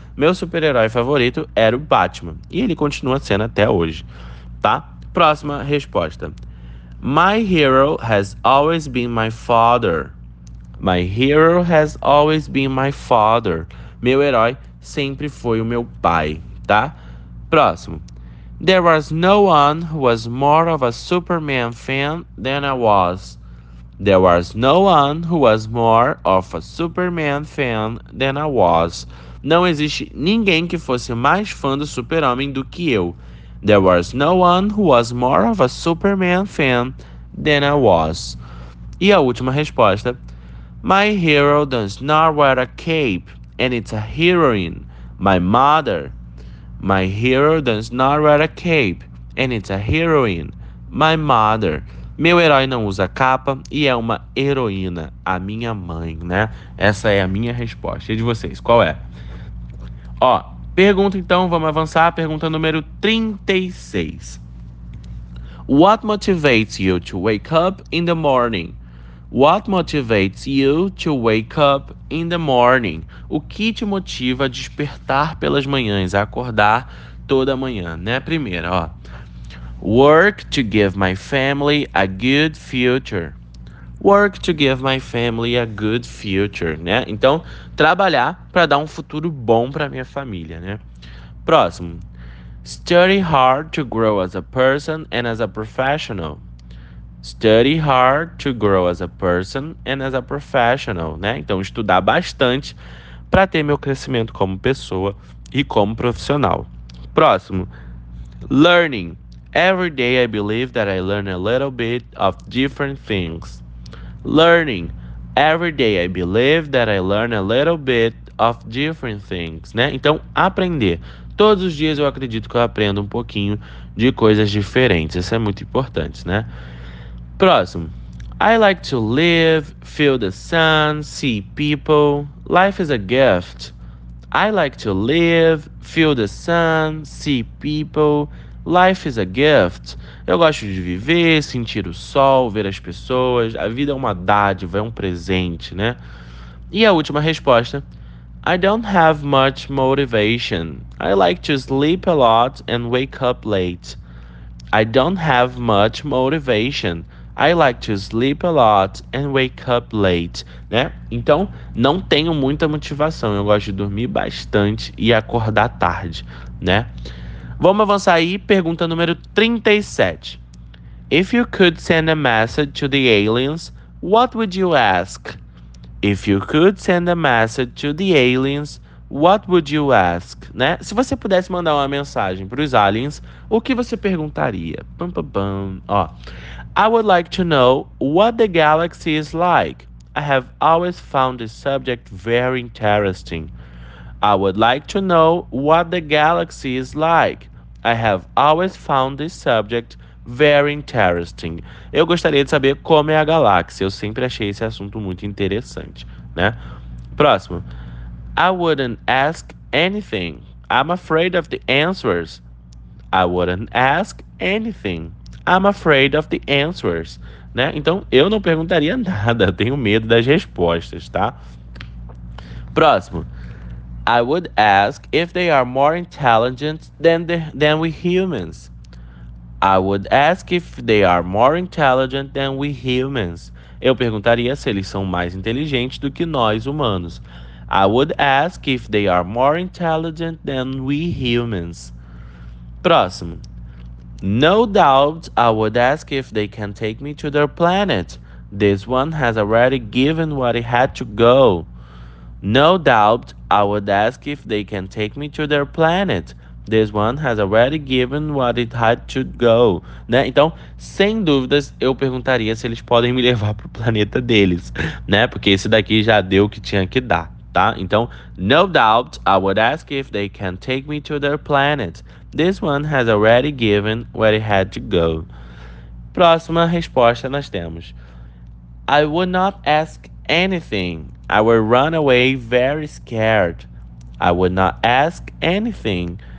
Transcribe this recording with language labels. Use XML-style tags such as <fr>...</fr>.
<pt>Meu super-herói favorito era o Batman, e ele continua sendo até hoje, tá? Próxima resposta.</pt> <en>My hero has always been my father. My hero has always been my father.</en> <pt>Meu herói sempre foi o meu pai, tá? Próximo.</pt> <en>There was no one who was more of a Superman fan than I was. There was no one who was more of a Superman fan than I was.</en> <pt>Não existe ninguém que fosse mais fã do Super-Homem do que eu.</pt> <en>There was no one who was more of a Superman fan than I was.</en> <pt>E a última resposta.</pt> <en>My hero does not wear a cape, and it's a heroine. My mother. My hero does not wear a cape, and it's a heroine. My mother.</en> <pt>Meu herói não usa capa e é uma heroína. A minha mãe, né? Essa é a minha resposta. E de vocês, qual é? Ó, pergunta então, vamos avançar. Pergunta número 36.</pt> <en>What motivates you to wake up in the morning? What motivates you to wake up in the morning?</en> <pt>O que te motiva a despertar pelas manhãs, a acordar toda manhã, né? Primeiro, ó.</pt> <en>Work to give my family a good future. Work to give my family a good future, né?</en> <pt>Então, trabalhar para dar um futuro bom para minha família, né? Próximo.</pt> <en>Study hard to grow as a person and as a professional. Study hard to grow as a person and as a professional, né?</en> <pt>Então, estudar bastante para ter meu crescimento como pessoa e como profissional. Próximo.</pt> <en>Learning. Every day I believe that I learn a little bit of different things. Learning. Every day I believe that I learn a little bit of different things, né?</en> <pt>Então, aprender. Todos os dias eu acredito que eu aprendo um pouquinho de coisas diferentes. Isso é muito importante, né? Próximo.</pt> <en>I like to live, feel the sun, see people. Life is a gift. I like to live, feel the sun, see people. Life is a gift.</en> <pt>Eu gosto de viver, sentir o sol, ver as pessoas. A vida é uma dádiva, é um presente, né? E a última resposta.</pt> <en>I don't have much motivation. I like to sleep a lot and wake up late. I don't have much motivation. I like to sleep a lot and wake up late, né?</en> <pt>Então, não tenho muita motivação. Eu gosto de dormir bastante e acordar tarde, né? Vamos avançar aí. Pergunta número 37.</pt> <en>If you could send a message to the aliens, what would you ask? If you could send a message to the aliens, what would you ask?</en> <pt>Né? Se você pudesse mandar uma mensagem para os aliens, o que você perguntaria? Pam, pam, pam. Ó.</pt> <en>I would like to know what the galaxy is like. I have always found this subject very interesting. I would like to know what the galaxy is like. I have always found this subject very interesting.</en> <pt>Eu gostaria de saber como é a galáxia. Eu sempre achei esse assunto muito interessante, né? Próximo.</pt> <en>I wouldn't ask anything. I'm afraid of the answers. I wouldn't ask anything. I'm afraid of the answers, né?</en> <pt>Então, eu não perguntaria nada, tenho medo das respostas, tá? Próximo.</pt> <en>I would ask if they are more intelligent than we humans. I would ask if they are more intelligent than we humans.</en> <pt>Eu perguntaria se eles são mais inteligentes do que nós humanos.</pt> <en>I would ask if they are more intelligent than we humans.</en> <pt>Próximo.</pt> <en>No doubt, I would ask if they can take me to their planet. This one has already given what it had to go. No doubt, I would ask if they can take me to their planet. This one has already given what it had to go.</en> <pt>Né? Então, sem dúvidas, eu perguntaria se eles podem me levar para o planeta deles, né? Porque esse daqui já deu o que tinha que dar, tá?</pt> <en>Então, no doubt, I would ask if they can take me to their planet. This one has already given where it had to go.</en> <pt>Próxima resposta nós temos.</pt> <en>I would not ask anything. I would run away very scared. I would not ask anything.</en>